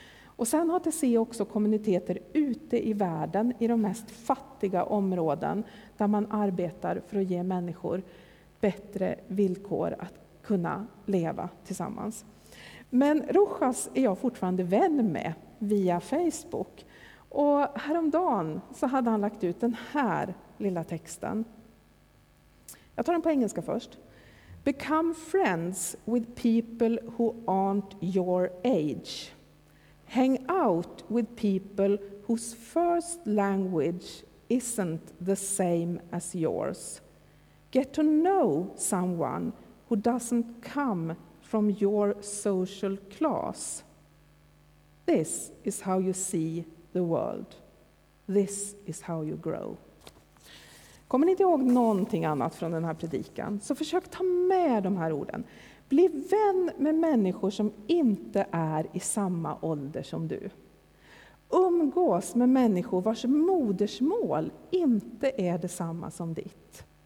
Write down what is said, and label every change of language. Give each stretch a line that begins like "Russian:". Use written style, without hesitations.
Swedish: Och sen har Tessé också kommuniteter ute i världen i de mest fattiga områden där man arbetar för att ge människor bättre villkor att kunna leva tillsammans. Men Rojas är jag fortfarande vän med via Facebook. Och häromdagen så hade han lagt ut den här lilla texten. Jag tar den på engelska först.
English: Become friends with people who aren't your age. Hang out with people whose first language isn't the same as yours. Get to know someone who doesn't come from your social class. This is how you see the world. This is how you grow.
Swedish: Kommer ni inte ihåg någonting annat från den här predikan? Så försök ta med de här orden. Bli vän med människor som inte är i samma ålder som du. Umgå. umgås med människor vars modersmål inte är detsamma som ditt.